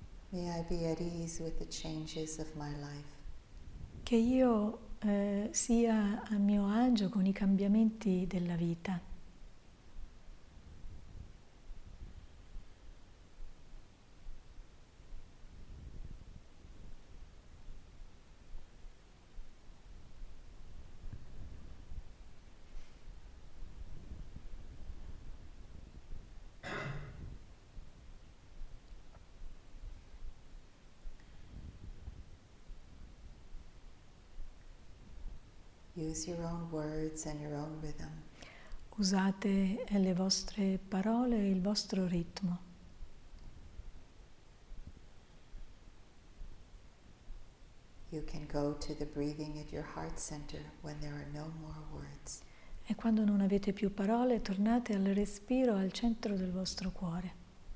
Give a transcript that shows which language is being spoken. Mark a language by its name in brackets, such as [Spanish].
[English] May I be at ease with the changes of my life. [Italian] Che io sia a mio agio con i cambiamenti della vita. [English] Use your own words and your own rhythm. [Italian] Usate le vostre parole e il vostro ritmo. [English] You can go to the breathing at your heart center when there are no more words. [Italian] E quando non avete più parole, tornate al respiro al centro del vostro cuore.